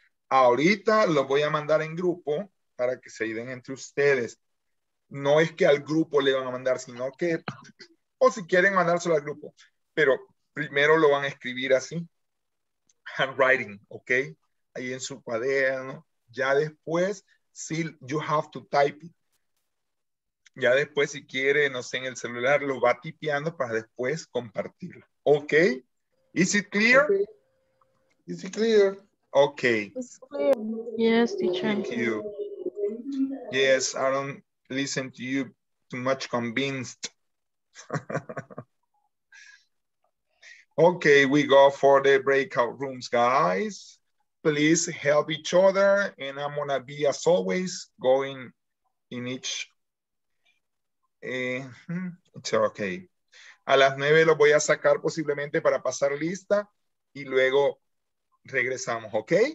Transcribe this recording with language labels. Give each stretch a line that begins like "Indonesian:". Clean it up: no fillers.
Spanish: Ahorita los voy a mandar en grupo para que se ayuden entre ustedes. No es que al grupo le van a mandar, sino que, o si quieren mandárselo al grupo, pero primero lo van a escribir así, handwriting, ok, ahí en su cuaderno. Ya después, si
English: you have to type it.
Spanish: Ya después, si quiere, no sé, en el celular, lo va tipeando para después compartirlo, ok.
English: Is it clear? Okay. Is it clear? Okay. It's clear. Yes, teacher. Thank you. Yes, I don't listen to you too much convinced. Okay, we go for the breakout rooms, guys. Please help each other. And I'm gonna be, as always, going in each. It's okay.
Spanish: A las 9 lo voy a sacar posiblemente para pasar lista y luego regresamos, ¿ok?